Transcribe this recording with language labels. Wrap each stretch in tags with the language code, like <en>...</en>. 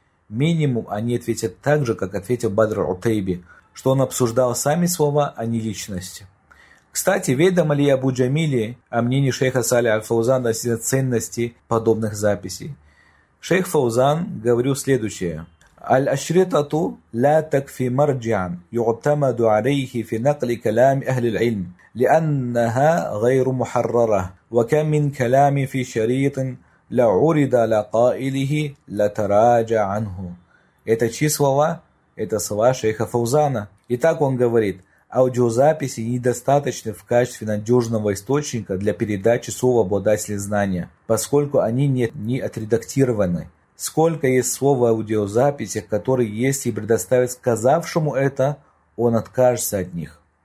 <ru>Минимум они ответят так же, как ответил Бадр Утейби, что он обсуждал сами слова, а не личность. Кстати, ведомо ли Абу Джамиле о мнении шейха Салиха Аль-Фаузан о ценности подобных записей? Шейх Фаузан говорил следующее.</ru> <ar>الأشرطة لا تكفي مرجعا يعتمد عليه في نقل كلام أهل العلم لأنها غير محررة وكم من كلام في شريط لعرض لقائله لتراجع عنه.</ar> <ru>Это чьи слова? Это слова шейха Фаузана. Итак, он говорит, аудиозаписи недостаточны в качестве надежного источника для передачи слова обладателя знания, поскольку они не отредактированы. Сколько есть слов в аудиозаписях, которые, если предоставить сказавшему это, он откажется от них.</ru>